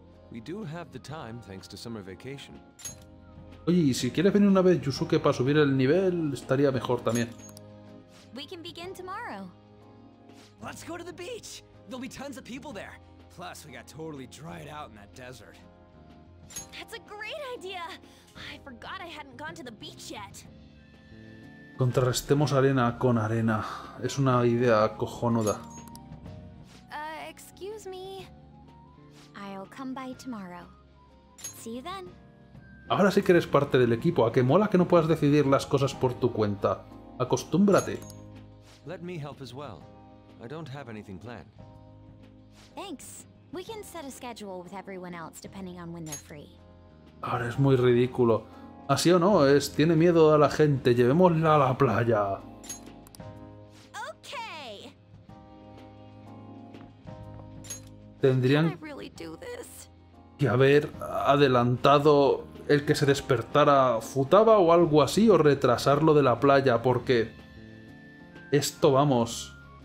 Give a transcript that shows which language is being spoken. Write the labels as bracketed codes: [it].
[en] We do have the time thanks to summer vacation. [es] Oye, y si quieres venir una vez, Yusuke, para subir el nivel, estaría mejor también. [en] We can begin tomorrow. Let's go to the beach. There'll be tons of people there. Plus, we got totally dried out in that desert. That's a great idea. I forgot I hadn't gone to the beach yet. [es] Contrarrestemos arena con arena. Es una idea cojonuda. [en] Excuse me. I'll come by tomorrow. See you then. [es] Ahora sí que eres parte del equipo. A que mola que no puedas decidir las cosas por tu cuenta. Acostúmbrate. [en] Let me help as well. I don't have anything planned. Thanks. We can set a schedule with everyone else depending on when they're free. [es] Ahora es muy ridículo. Así o no, es tiene miedo a la gente. Llevémosla a la playa. [en] Okay. [es] Tendrían [en] I really do this? [es] Que haber adelantado el que se despertara Futaba o algo así, o retrasarlo de la playa, porque esto vamos.